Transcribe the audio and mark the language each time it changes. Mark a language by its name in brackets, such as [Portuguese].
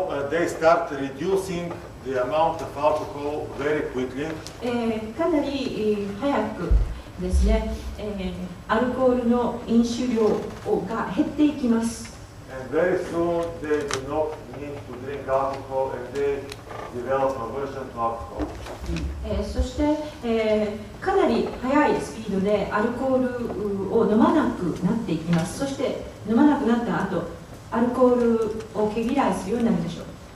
[English] they start reducing the amount of alcohol very quickly [Japanese] かなり早くですね、アルコールの飲酒量が減っていきます [English] and very soon they do not need to drink alcohol and they develop aversion to alcohol [Japanese] そして、かなり速いスピードでアルコールを飲まなくなっていきます。そして飲まなくなった後、アルコールを毛嫌いするようになるでしょう。